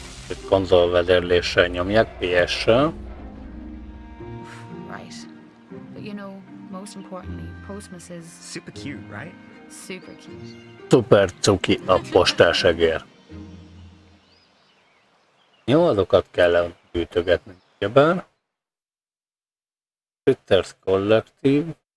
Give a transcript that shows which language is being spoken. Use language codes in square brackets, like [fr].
[hu] Itt konzol vezérléssel nyomják, PS-sel. [en] Right. But you know, most importantly, Postmas is... Super cute, right? Super cute. [hu] Super cuki a postás egér. Jó, azokat kell gyűjtögetni. Jöbben. Twitter's Collective.